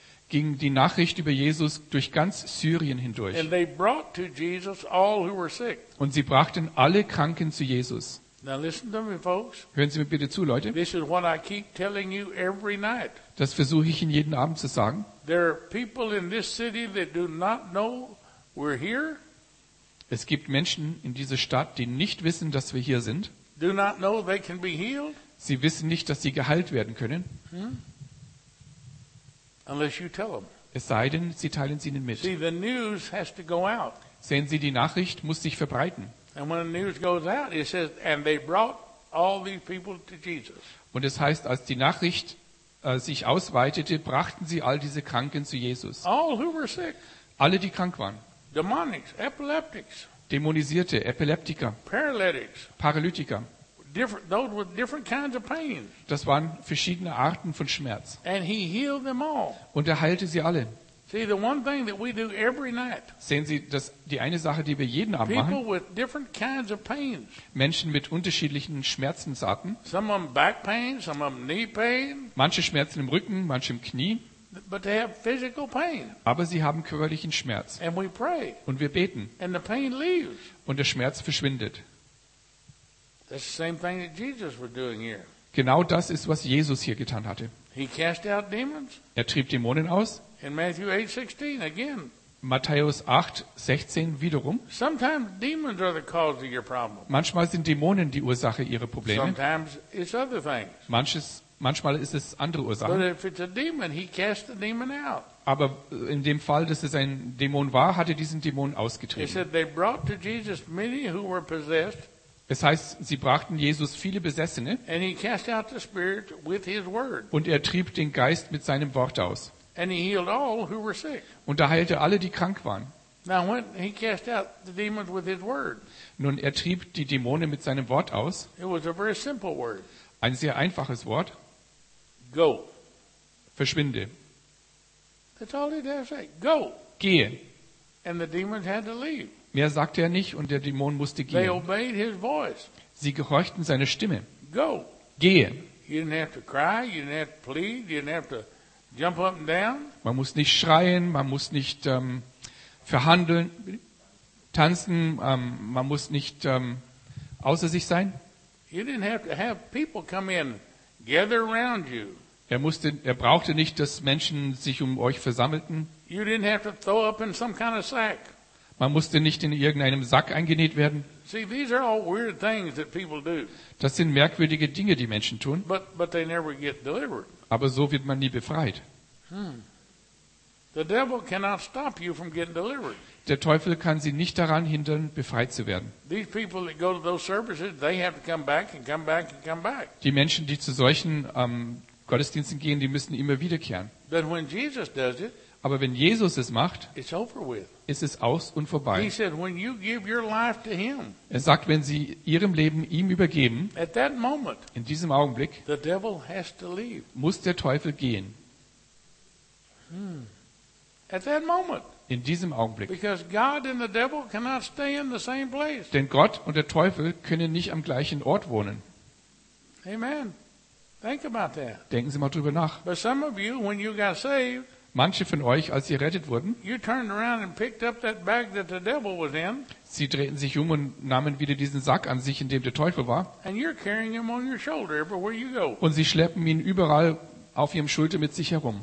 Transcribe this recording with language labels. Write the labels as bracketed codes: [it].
[de] Ging die Nachricht über Jesus durch ganz Syrien hindurch. Und sie brachten alle Kranken zu Jesus. [en] Now listen to me, folks. [de] Hören Sie mir bitte zu, Leute. [en] This is what I keep telling you every night. [de] Das versuche ich Ihnen jeden Abend zu sagen. [en] There are people in this city that do not know we're here. [de] Es gibt Menschen in dieser Stadt, die nicht wissen, dass wir hier sind. [en] Do not know they can be healed. [de] Sie wissen nicht, dass sie geheilt werden können. [en] Unless you tell them. [de] Es sei denn, Sie teilen sie ihnen mit. [en] See, the news has to go out. [de] Sehen Sie, die Nachricht muss sich verbreiten. [en] And when the news goes out, it says, and they brought all these people to Jesus. [de] Und es heißt, als die Nachricht sich ausweitete, brachten sie all diese Kranken zu Jesus. [en] All who were sick. [de] Alle, die krank waren. [en] Demonics, epileptics. [de] Dämonisierte, Epileptiker. [en] Paralytics. [de] Paralytiker. [en] Those were different kinds of pain. [de] Das waren verschiedene Arten von Schmerz. [en] And he healed them all. [de] Und er heilte sie alle. [en] See, the one thing that we do every night. [de] Sehen Sie, das die eine Sache, die wir jeden Abend machen. [en] People with different kinds of pain. [de] Menschen mit unterschiedlichen Schmerzensarten. [en] Some of them back pain, some of them knee pain. [de] Manche Schmerzen im Rücken, manche im Knie. [en] But they have physical pain. [de] Aber sie haben körperlichen Schmerz. [en] And we pray. [de] Und wir beten. [en] And the pain leaves. [de] Und der Schmerz verschwindet. [en] That's the same thing that Jesus was doing here. [de] Genau das ist, was Jesus hier getan hatte. [en] He cast out demons. [de] Er trieb Dämonen aus. [en] In Matthew 8:16 again. [de] Matthäus 8:16 wiederum. [en] Sometimes demons are the cause of your problem. [de] Manchmal sind Dämonen die Ursache ihrer Probleme. [en] Sometimes it's other things. [de] Manchmal ist es andere Ursachen. [en] But if it's a demon, he cast the demon out. [de] Aber in dem Fall, dass es ein Dämon war, hat er diesen Dämon ausgetrieben. [en] He said they brought to Jesus many who were possessed. [de] Es heißt, sie brachten Jesus viele Besessene. [en] And he cast out the spirit with his word. [de] Und er trieb den Geist mit seinem Wort aus. [en] And he healed all who were sick. [de] Und er heilte alle, die krank waren. [en] Now when he cast out the demons with his word. [de] Nun, er trieb die Dämonen mit seinem Wort aus. [en] It was a very simple word. [de] Ein sehr einfaches Wort. [en] Go. [de] Verschwinde. [en] That's all he did say. Go. [de] Gehe. [en] And the demons had to leave. [de] Mehr sagte er nicht und der Dämon musste gehen. [en] They obeyed his voice. [de] Sie gehorchten seine Stimme. [en] Go. [de] Gehe. [en] You didn't have to cry, you didn't have to plead, you didn't have to jump up and down. [de] Man muss nicht schreien, man muss nicht verhandeln, tanzen, man muss nicht außer sich sein. [en] You didn't have to have people come in, gather around you. [de] Er brauchte nicht, dass Menschen sich um euch versammelten. [en] You didn't have to throw up in some kind of sack. [de] Man musste nicht in irgendeinem Sack eingenäht werden. [en] See, these are all weird things that people do. [de] Das sind merkwürdige Dinge, die Menschen tun. [en] But they never get delivered. [de] Aber so wird man nie befreit. [en] The devil cannot stop you from getting delivered. [de] Der Teufel kann sie nicht daran hindern, befreit zu werden. [en] These people that go to those services, they have to come back and come back and come back. [de] Die Menschen, die zu solchen Gottesdiensten gehen, die müssen immer wiederkehren. [en] But when Jesus does it, [de] aber wenn Jesus es macht, [en] it's over with. [de] Ist es aus und vorbei. [en] He said, when you give your life to him, [de] er sagt, wenn sie ihrem Leben ihm übergeben, [en] at that moment, [de] in diesem Augenblick, [en] the devil has to leave. [de] Muss der Teufel gehen. [en] At that moment. [de] In diesem Augenblick. [en] Because God and the devil cannot stay in the same place. [de] Denn Gott und der Teufel können nicht am gleichen Ort wohnen. [en] Amen. Think about that. [de] Denken Sie mal drüber nach. [en] But some of you, when you got saved, [de] manche von euch, als sie gerettet wurden, sie drehten sich um und nahmen wieder diesen Sack an sich, in dem der Teufel war. Und sie schleppen ihn überall auf ihrem Schulter mit sich herum.